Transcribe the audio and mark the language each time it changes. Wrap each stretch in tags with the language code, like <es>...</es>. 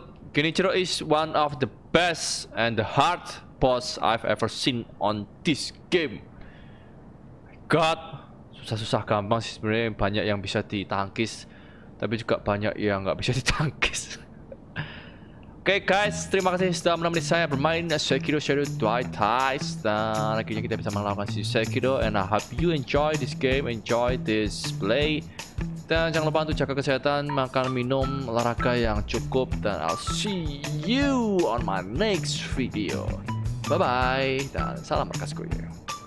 <en>Kenichiro is one of the best and the hard boss I've ever seen on this game.</en> <id>God, susah-susah gampang sih sebenarnya, banyak yang bisa ditangkis tapi juga banyak yang gak bisa ditangkis. Oke guys, terima kasih sudah menemani saya bermain Sekiro Shadows Die Twice. Dan akhirnya kita bisa melakukan si Sekiro.</id> <en>And I hope you enjoy this game, enjoy this play.</en> <id>Dan jangan lupa untuk jaga kesehatan, makan, minum, olahraga yang cukup.</id> <en>Dan I'll see you on my next video. Bye-bye</en> <id>dan salam berkas kuyuh.</id>